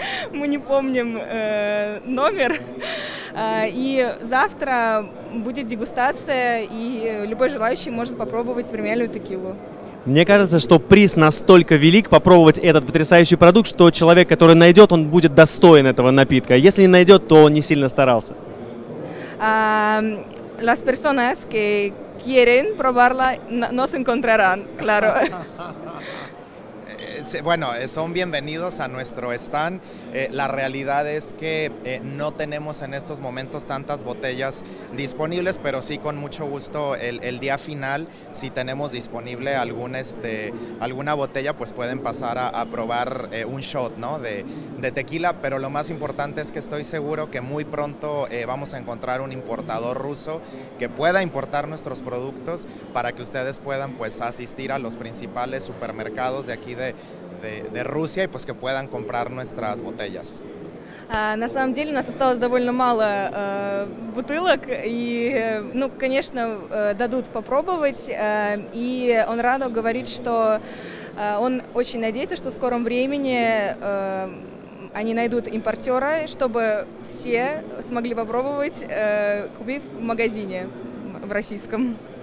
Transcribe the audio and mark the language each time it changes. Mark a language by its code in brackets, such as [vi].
[ru] Мы не помним номер. И завтра будет дегустация, и любой желающий может попробовать премиальную текилу. Мне кажется, что приз настолько велик попробовать этот потрясающий продукт, что человек, который найдет, он будет достоин этого напитка. Если не найдет, то он не сильно старался. [es] Las personas que quieren probarla no se encontrarán, claro. Bueno, son bienvenidos a nuestro stand. La realidad es que no tenemos en estos momentos tantas botellas disponibles, pero sí con mucho gusto el día final, si tenemos disponible alguna botella, pues pueden pasar a probar un shot, ¿no? de tequila. Pero lo más importante es que estoy seguro que muy pronto vamos a encontrar un importador ruso que pueda importar nuestros productos para que ustedes puedan pues, asistir a los principales supermercados de aquí de Rusia y pues que puedan comprar nuestras botellas. [ru] На самом деле у нас осталось довольно мало бутылок, и, ну, конечно, дадут попробовать, и он рано говорит, что он очень надеется, что в скором времени они найдут импортера, чтобы все смогли попробовать, купив в магазине в российском.